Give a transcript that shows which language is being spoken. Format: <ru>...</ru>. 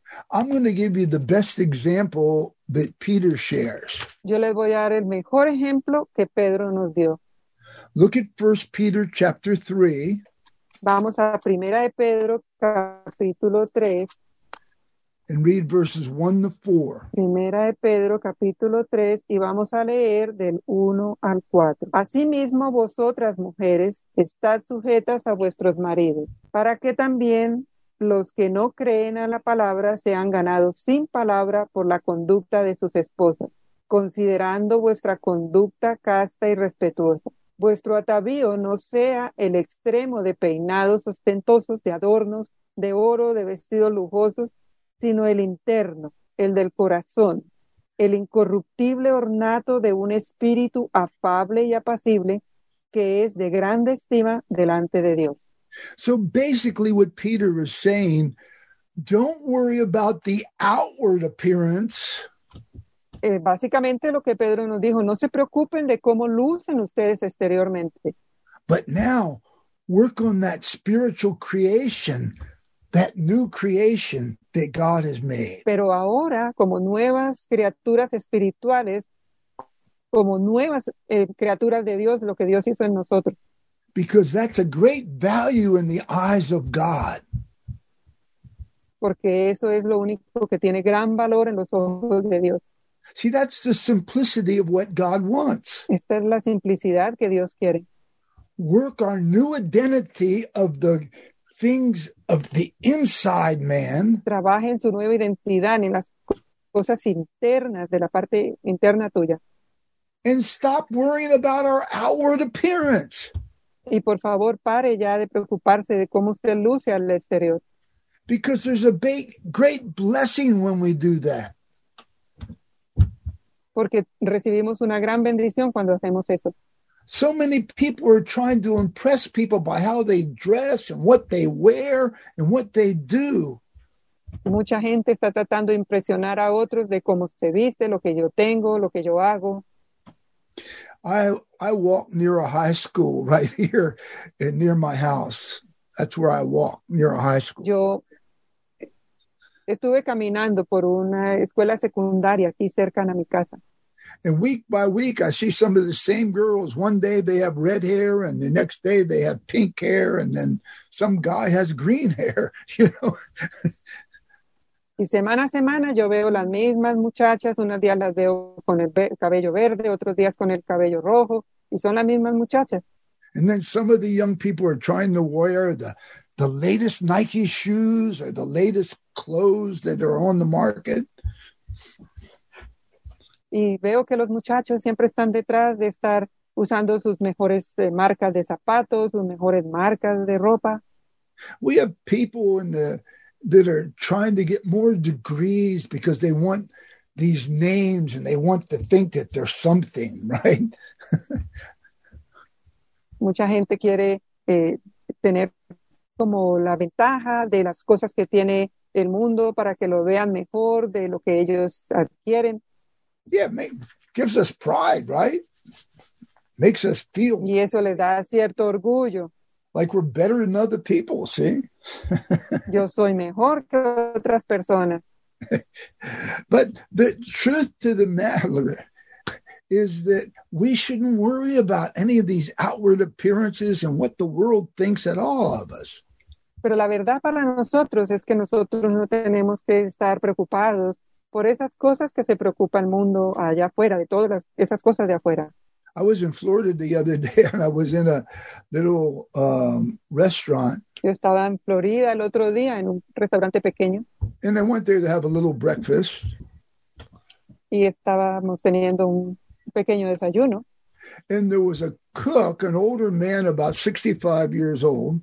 <en>I'm going to give you the best example that Peter shares.</en> <es>Yo les voy a dar el mejor ejemplo que Pedro nos dio.</es> <en>Look at 1 Peter chapter 3.</en> <es>Vamos a Primera de Pedro capítulo 3.</es> <en>And read verses 1 to 4.</en> <es>Primera de Pedro capítulo 3 y vamos a leer del 1 al 4. Asimismo vosotras mujeres estad sujetas a vuestros maridos, para que también los que no creen a la palabra sean ganados sin palabra por la conducta de sus esposas, considerando vuestra conducta casta y respetuosa. Vuestro atavío no sea el extremo de peinados ostentosos, de adornos, de oro, de vestidos lujosos, sino el interno, el del corazón, el incorruptible ornato de un espíritu afable y apacible que es de grande estima delante de Dios.</es> <en>So basically what Peter is saying, don't worry about the outward appearance.</en> <es>Básicamente lo que Pedro nos dijo, no se preocupen de cómo lucen ustedes exteriormente.</es> <en>But now, work on that spiritual creation, that new creation that God has made.</en> <es>Pero ahora, como nuevas criaturas espirituales, como nuevas criaturas de Dios, lo que Dios hizo en nosotros.</es> <en>Because that's a great value in the eyes of God.</en> <es>Porque eso es lo único que tiene gran valor en los ojos de Dios.</es> <en>See, that's the simplicity of what God wants.</en> <es>Esta es la simplicidad que Dios quiere.</es> <en>Work our new identity of the things of the inside man.</en> <es>Trabaje en su nueva identidad, en las cosas internas, de la parte interna tuya.</es> <en>And stop worrying about our outward appearance.</en> <es>Y por favor, pare ya de preocuparse de cómo usted luce al exterior.</es> <en>Because there's a big, great blessing when we do that.</en> <es>Porque recibimos una gran bendición cuando hacemos eso.</es> <en>So many people are trying to impress people by how they dress and what they wear and what they do.</en> <es>Mucha gente está tratando de impresionar a otros de cómo se viste, lo que yo tengo, lo que yo hago.</es> <en>I walk near a high school right here and near my house. That's where I walk, near a high school.</en> <es>Yo estuve caminando por una escuela secundaria aquí cerca a mi casa.</es> <en>And week by week, I see some of the same girls. One day they have red hair, and the next day they have pink hair, and then some guy has green hair, you know.</en> <es>Y semana a semana yo veo las mismas muchachas. Unos días las veo con el cabello verde, otros días con el cabello rojo, y son las mismas muchachas.</es> <en>And then some of the young people are trying to wear the latest Nike shoes or the latest clothes that are on the market.</en> <es>Y veo que los muchachos siempre están detrás de estar usando sus mejores marcas de zapatos, sus mejores marcas de ropa.</es> <en>We have people in that are trying to get more degrees because they want these names and they want to think that they're something, right?</en> <es>Mucha gente quiere tener como la ventaja de las cosas que tiene el mundo para que lo vean mejor de lo que ellos adquieren.</es> <en>Yeah, gives us pride, right? Makes us feel.</en> <es>Y eso le da cierto orgullo.</es> <en>Like we're better than other people, see?</en> <es>Yo soy mejor que otras personas.</es> <en>But the truth to the matter is that we shouldn't worry about any of these outward appearances and what the world thinks at all of us.</en> <es>Pero la verdad para nosotros es que nosotros no tenemos que estar preocupados por esas cosas que se preocupa el mundo allá afuera, de todas las, esas cosas de afuera.</es> <en>I was in Florida the other day and I was in a little restaurant.</en> <es>Yo estaba en Florida el otro día en un restaurante pequeño.</es> <en>And I went there to have a little breakfast.</en> <es>Y estábamos teniendo un pequeño desayuno.</es> <en>And there was a cook, an older man about 65 years old.</en>